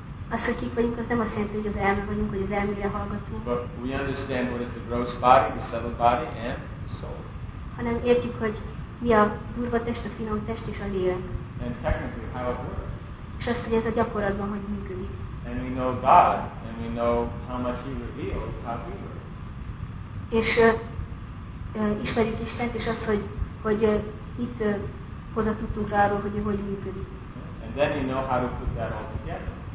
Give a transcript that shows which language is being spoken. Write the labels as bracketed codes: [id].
[hu] Az, hogy kik vagyunk, az nem azt jelenti, hogy az elme vagyunk, hogy az elmére hallgatunk. [en] But we understand what is the gross body, the subtle body, and the soul. [hu] Hanem értjük, hogy mi a durva test, a finom test és a lélek. [en] And technically how it works. [hu] És azt, hogy ez a gyakorlatban hogy működik. [en] And we know God, and we know how much He revealed, how He works. [hu] És ismerjük Istent, és azt, hogy mit hozatudtunk rá arról, hogy hogy működik. [en] And then we know how to put that all together.